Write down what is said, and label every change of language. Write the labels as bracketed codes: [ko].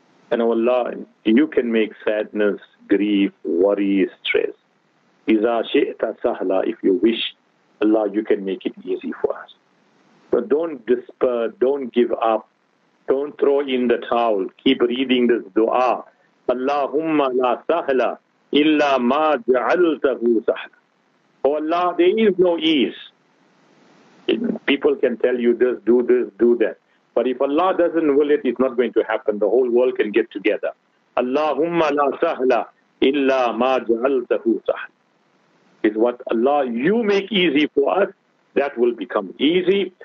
[en] And oh Allah, you can make sadness, grief, worry, stress. [ar] إِذَا شِئْتَ سَهْلًا. [en] If you wish, Allah, you can make it easy for us. But don't despair, don't give up, don't throw in the towel. Keep reading this dua. [ar] اللهم لا سهل إلا ما جعلته سهل. [en] Oh Allah, there is no ease. People can tell you this, do this, do that. But if Allah doesn't will it, it's not going to happen. The whole world can get together. [ar] Allahumma la sahla illa ma ja'altahu sahla. [en] Is what Allah, you make easy for us, that will become easy.